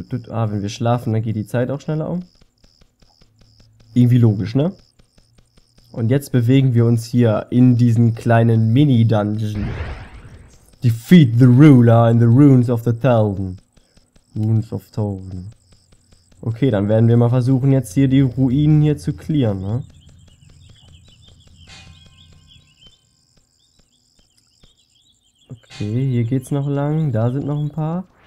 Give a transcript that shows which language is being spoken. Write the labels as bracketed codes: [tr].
[de] Ah, wenn wir schlafen, dann geht die Zeit auch schneller um. Irgendwie logisch, ne? Und jetzt bewegen wir uns hier in diesen kleinen Mini-Dungeon. [en] Defeat the ruler in the Ruins of the Thousand. Ruins of Thousand. [de] Okay, dann werden wir mal versuchen, jetzt hier die Ruinen hier zu clearen, ne? Okay, hier geht's noch lang. Da sind noch ein paar.